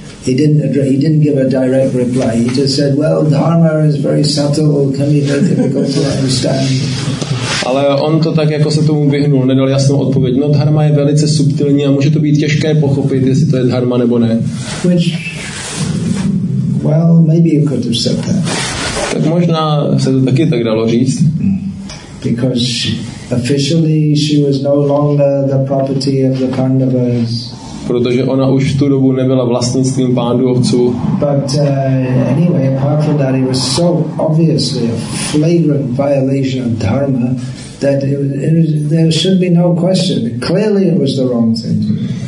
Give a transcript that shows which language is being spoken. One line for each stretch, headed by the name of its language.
English: He didn't give a direct reply. He just said, "Well, dharma is very subtle. It can be very difficult to understand."
Czech: Ale on to tak jako se tomu vyhnul, nedal jasnou odpověď. No, dharma je velice subtilní a může to být těžké pochopit, jestli to je dharma nebo ne.
English: Which, well, maybe you could have said that.
Czech: Tak možná se to taky tak dalo říct.
English: Because officially she was no longer the property of the Pandavas.
Czech: Protože ona už v tu dobu nebyla vlastnictvím Pándovců.
English: But anyway, apart from that, it was so obviously a flagrant violation of dharma that there should be no question. Clearly, it was the wrong thing.